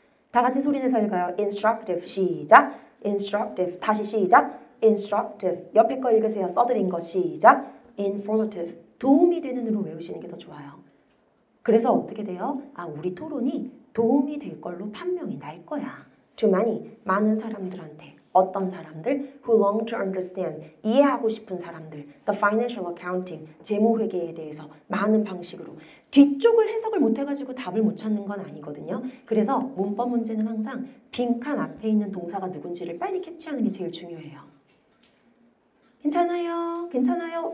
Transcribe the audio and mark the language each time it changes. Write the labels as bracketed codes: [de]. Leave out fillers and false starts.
[ko] 다 같이 소리내서 읽어요. Instructive 시작. Instructive 다시 시작. Instructive 옆에 거 읽으세요. 써드린 거 시작. Informative 도움이 되는으로 외우시는 게 더 좋아요. 그래서 어떻게 돼요? 아, 우리 토론이 도움이 될 걸로 판명이 날 거야. [en] To many, [ko] 많은 사람들한테. 어떤 사람들? [en] Who long to understand, [ko] 이해하고 싶은 사람들. [en] The financial accounting, [ko] 재무회계에 대해서 많은 방식으로. 뒤쪽을 해석을 못해가지고 답을 못 찾는 건 아니거든요. 그래서 문법 문제는 항상 빈칸 앞에 있는 동사가 누군지를 빨리 캡처하는 게 제일 중요해요. 괜찮아요? 괜찮아요?